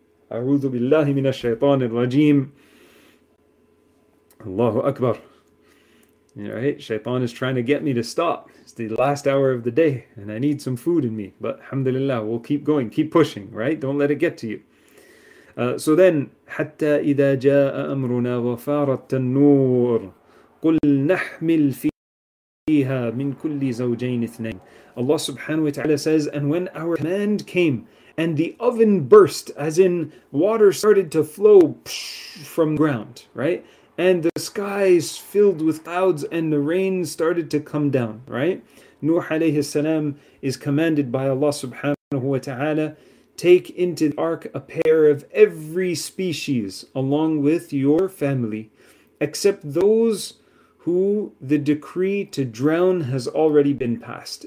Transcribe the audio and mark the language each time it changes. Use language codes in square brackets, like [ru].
[ar] A'udhu billahi minash shaitanir rajim. Allahu Akbar. [en] All right, shaitan is trying to get me to stop. It's the last hour of the day and I need some food in me. But alhamdulillah, we'll keep going, keep pushing, right? Don't let it get to you. So then, [ar] حَتَّى إِذَا جَاءَ أَمْرُنَا وَفَارَ التَّنُّورِ قُلْ نَحْمِلْ فِيهَا مِنْ كُلِّ زَوْجَيْنِ اثْنَيْنِ. [en] Allah subhanahu wa ta'ala says, and when our command came and the oven burst, as in water started to flow from ground, right? And the skies filled with clouds and the rain started to come down, right? Nuh alayhi salam is commanded by Allah subhanahu wa ta'ala, take into the ark a pair of every species along with your family, except those who the decree to drown has already been passed.